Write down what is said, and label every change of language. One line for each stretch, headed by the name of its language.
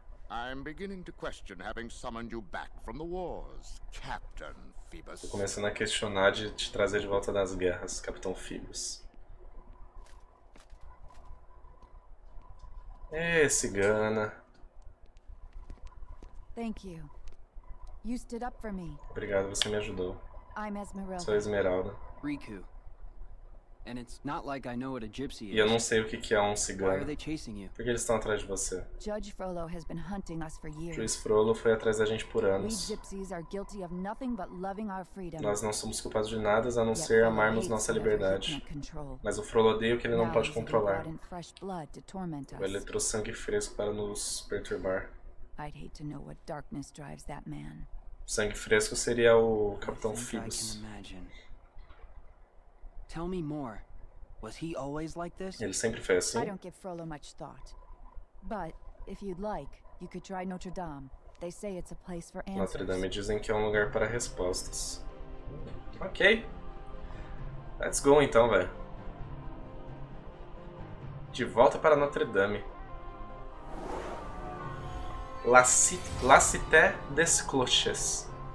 English: I'm beginning to question having summoned you back from the wars, Captain Phoebus.
Portuguese: Tô começando a questionar de te trazer de volta das guerras, Capitão Phoebus. Cigana.
English: Thank you. You stood up for me.
Portuguese: Obrigado, você me ajudou.
English: I'm Esmeralda.
Portuguese: Sou Esmeralda.
English: Riku. And it's not like I know what a gypsy is.
Portuguese: E eu não sei o que que é um cigano.
English: Why are they chasing you?
Portuguese: Por que eles estão atrás de você?
English: Judge Frollo has been hunting us for years.
Portuguese: Juiz Frollo foi atrás da gente por anos.
English: We gypsies are guilty of nothing but loving our freedom.
Portuguese: Nós não somos culpados de nada a não ser amarmos nossa liberdade. Mas o Frollo odeia o que ele não pode controlar. Ele trouxe sangue fresco para nos perturbar.
English: I'd hate to know what darkness drives that man.
Portuguese: Sangue fresco seria o Capitão Phoebus.
English: Tell me more. Was he always like this?
Portuguese: Ele sempre foi assim?
English: I don't give Frollo much thought. But if you'd like, you could try Notre Dame. They say it's a place for answers.
Portuguese: Notre Dame dizem que é um lugar para respostas.
English: Ok. Let's go
Portuguese: então, velho. De volta para Notre Dame.
French: La Cité des Cloches.